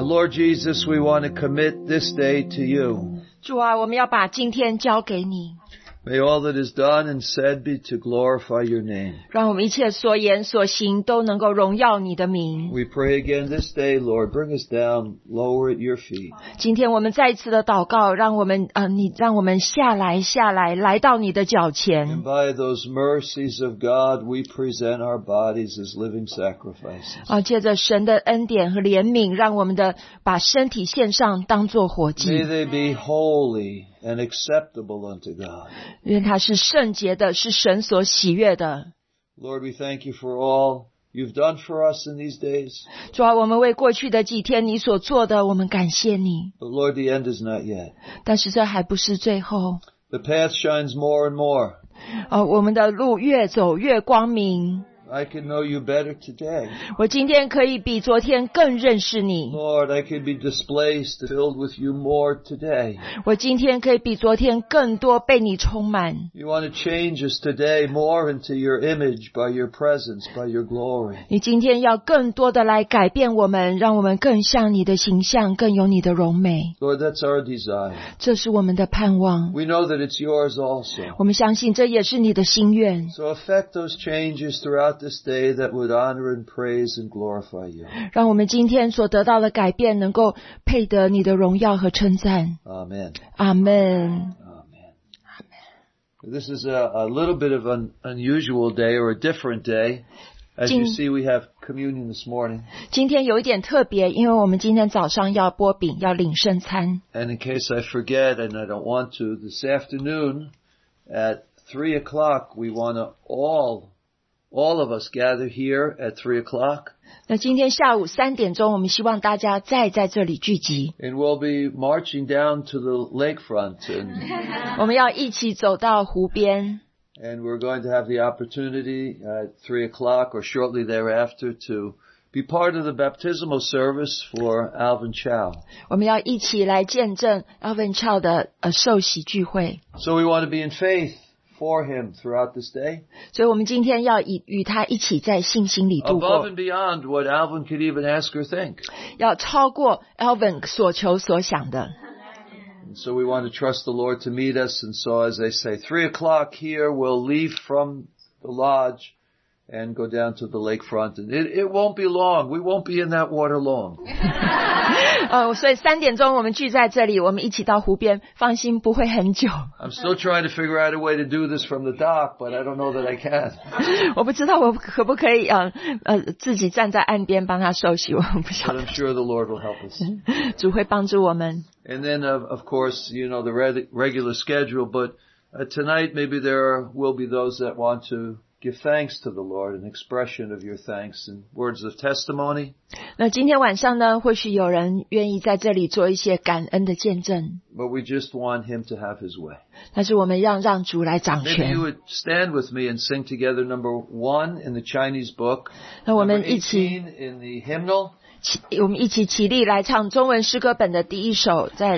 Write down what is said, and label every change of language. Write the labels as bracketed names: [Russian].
[English] Lord Jesus, we want to commit this day to you. [Chinese] 主啊，我们要把今天交给你。 [English] May all that is done and said be to glorify your name. [Chinese] 让我们一切所言所行都能够荣耀你的名。 [English] We pray again this day, Lord, bring us down, lower at your feet. [Chinese] 今天我们再次的祷告，让我们你让我们下来下来，来到你的脚前。 [English] And by those mercies of God, we present our bodies as living sacrifices. [Chinese] 借着神的恩典和怜悯，让我们的把身体献上，当作活祭。 [English] May they be holy. And acceptable unto God. [Chinese] 愿它是圣洁的，是神所喜悦的。 [English] Lord, we thank you for all you've done for us in these days. [Chinese] 主啊，我们为过去的几天你所做的，我们感谢你。 [English] But Lord, the end is not yet. [Chinese] 但是这还不是最后。 [English] The path shines more and more. [Chinese] 我们的路越走越光明。 [English] I can know you better today. [Chinese] 我今天可以比昨天更认识你。 [English] Lord, I can be displaced, filled with you more today. [Chinese] 我今天可以比昨天更多被你充满。 [English] You want to change us today more into your image by your presence, by your glory. [Chinese] 你今天要更多的来改变我们，让我们更像你的形象，更有你的荣美。 [English] Lord, that's our desire. [Chinese] 这是我们的盼望。 [English] We know that it's yours also. [Chinese] 我们相信这也是你的心愿。 [English] So affect those changes throughout. This day that would honor and praise and glorify you. [Chinese] 让我们今天所得到的改变能够配得你的荣耀和称赞。 [English] Amen. Amen. Amen. This is a little bit of an unusual day or a different day. As you see, we have communion this morning. [Chinese] 今天有一点特别，因为我们今天早上要擘饼，要领圣餐。 [English] And in case I forget, and I don't want to, this afternoon at 3 o'clock, we want to all of us gather here at 3 o'clock. [Chinese] 那今天下午三点钟，我们希望大家再在这里聚集。 [English] And we'll be marching down to the lakefront. [Chinese] 我们要一起走到湖边。 [English] And we're going to have the opportunity at 3 o'clock or shortly thereafter to be part of the baptismal service for Alvin Chow. [Chinese] 我们要一起来见证 Alvin Chow 的受洗聚会。 [English] So we want to be in faith. For him throughout this day. [Chinese] 所以我们今天要与他一起在信心里度过。 [English] Above and beyond what Alvin could even ask or think. [Chinese] 要超过 Alvin 所求所想的。 [English] And so we want to trust the Lord to meet us. And so as they say, 3 o'clock here, we'll leave from the lodge and go down to the lakefront. And it won't be long. We won't be in that water long. [Chinese] 所以三点钟我们聚在这里，我们一起到湖边，放心，不会很久。 [English] I'm still trying to figure out a way to do this from the dock, but I don't know that I can. [Chinese] 我不知道我可不可以自己站在岸边帮他受洗，我不晓得。 [English] But I'm sure the Lord will help us. [Chinese] 主会帮助我们。 [English] And then, of course, you know, the regular schedule, but tonight maybe there will be those that want to give thanks to the Lord, an expression of your thanks and words of testimony. [Chinese] 那今天晚上呢，或许有人愿意在这里做一些感恩的见证。 [English] But we just want him to have his way. [Chinese] 但是我们要让主来掌权。 [English] Maybe you would stand with me and sing together number one in the Chinese book. [Chinese] 那我们一起。 [English] Number 18 in the hymnal. [Chinese] 我们一起起立来唱中文诗歌本的第一首，在。